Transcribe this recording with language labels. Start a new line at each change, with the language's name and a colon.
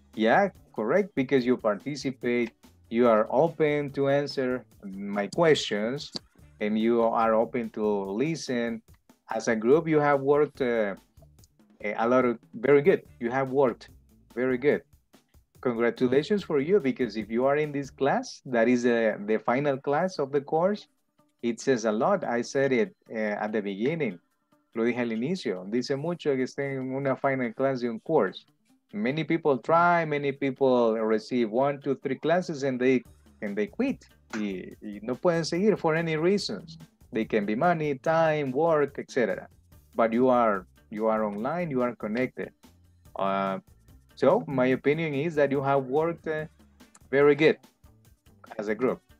English: Yeah, correct, because you participate, you are open to answer my questions, and you are open to listen. As a group, you have worked very good. congratulations for you, because if you are in this class, that is the final class of the course, it says a lot. I said it at the beginning.
Spanish: Lo dije al inicio. Dice mucho que esté en una
English: final class
Spanish: de un course.
English: Many people try, many people receive 1, 2, 3 classes and they quit.
Spanish: Y no pueden seguir
English: for any reasons. They can be money, time, work, etc. But you are online, you are connected. So my opinion is that you have worked very good as a group.